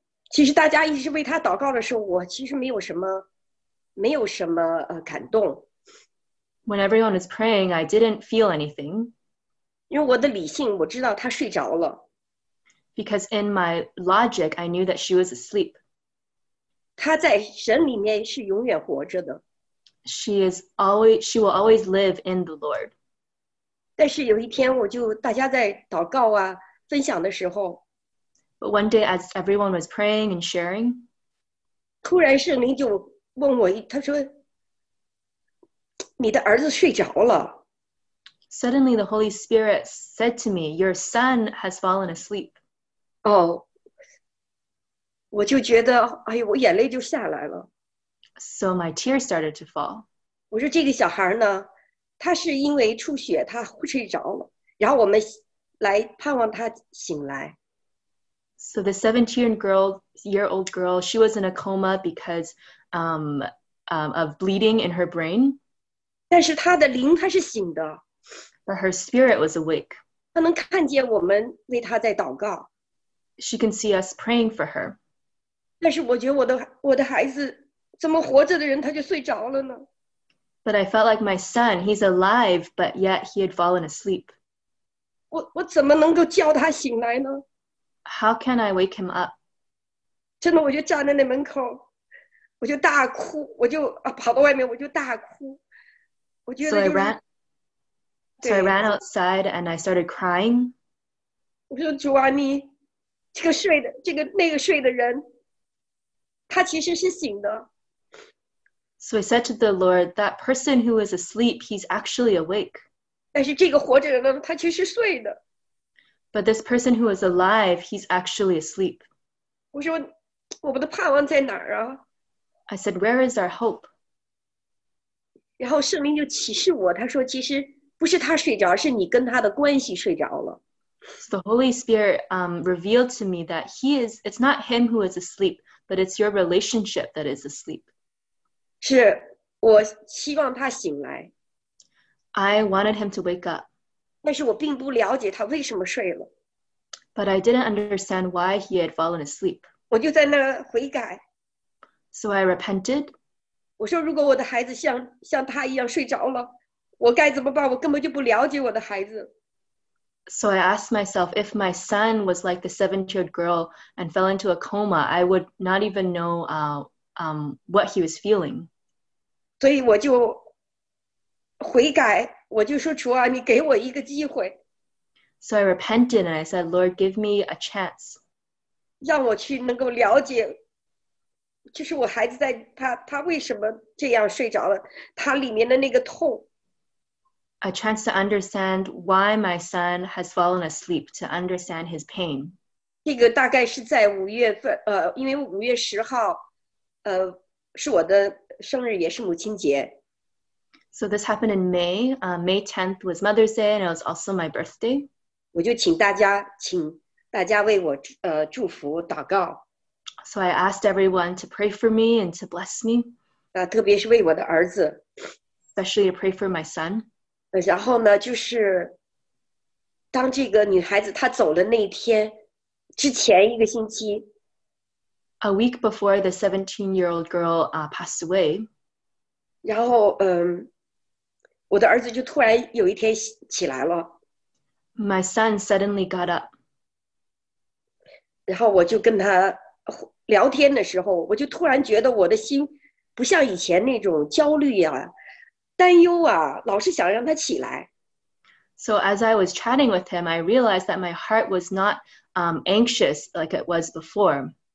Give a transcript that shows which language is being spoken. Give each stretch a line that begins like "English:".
Chinese: 其实大家一直为她祷告的时候，我其实没有什么感动。
English: When everyone was praying, I didn't feel anything.
Chinese: 因为我的理性，我知道她睡着了。
English: Because in my logic, I knew that she was asleep.
Chinese: 她在神里面是永远活着的。
English: She will always live in the Lord.
Chinese: 但是有一天，我就大家在祷告啊、分享的时候。
English: But one day, as everyone was praying and sharing,
Chinese: 突然圣灵就问我，他说。你的儿子睡着了。
English: Suddenly, the Holy Spirit said to me, "Your son has fallen asleep."
Chinese: Oh, 我就觉得，哎呦，我眼泪就下来了。
English: So my tears started to fall.
Chinese: 我说这个小孩呢，他是因为出血，他睡着了。然后我们来盼望他醒来。
English: So the 17-year-old girl, she was in a coma because of bleeding in her brain.
Chinese: 但是他的灵他是醒的。
English: But her spirit was awake.
Chinese: 他能看见我们为他在祷告。
English: She can see us praying for her.
Chinese: 但是我觉得我的孩子怎么活着的人他就睡着了呢？
English: But I felt like my son, he's alive, but yet he had fallen asleep.
Chinese: 我怎么能够叫他醒来呢？
English: How can I wake him up?
Chinese: 真的我就站在那门口，我就大哭，我就跑到外面我就大哭。
English: So I ran outside and I started crying.
Chinese: 我说主啊，你这个睡的这个那个睡的人，他其实是醒的。
English: So I said to the Lord, that person who is asleep, he's actually awake.
Chinese: 但是这个活着的人，他其实睡的。
English: But this person who is alive, he's actually asleep.
Chinese: 我说我们的盼望在哪儿啊？
English: I said, where is our hope?
Chinese: 然后圣灵就启示我，他说其实不是他睡着，是你跟他的关系睡着了。
English: The Holy Spirit revealed to me that it's not him who is asleep, but it's your relationship that is asleep.
Chinese: 是我希望他醒来。
English: I wanted him to wake up.
Chinese: 但是我并不了解他为什么睡了。
English: But I didn't understand why he had fallen asleep.
Chinese: 我就在那悔改。
English: So I repented.
Chinese: 我说如果我的孩子像他一样睡着了，我该怎么办？我根本就不了解我的孩子。
English: So I asked myself, if my son was like the 17-year-old girl and fell into a coma, I would not even know what he was feeling.
Chinese: 所以我就悔改，我就说主啊，你给我一个机会。
English: So I repented and I said, Lord, give me a chance.
Chinese: 让我去能够了解。就是我孩子在他为什么这样睡着了？他里面的那个痛。
English: A chance to understand why my son has fallen asleep, to understand his pain.
Chinese: 这个大概是在五月份，因为五月十号，是我的生日，也是母亲节。
English: So this happened in May. May 10th was Mother's Day, and it was also my birthday.
Chinese: 我就请大家为我祝福祷告。
English: So I asked everyone to pray for me and to bless me.
Chinese: 特别是为我的儿子。
English: Especially to pray for my son.
Chinese: 然后呢，就是当这个女孩子她走的那天，之前一个星期。
English: A week before the 17-year-old girl passed away.
Chinese: 然后我的儿子就突然有一天起来了。
English: My son suddenly got up.
Chinese: 然后我就跟他聊天的时候，我就突然觉得我的心不像以前那种焦虑啊、担忧啊，老是想让他起来。
English: So as I was chatting with him, I realized that my heart was not anxious like it was before.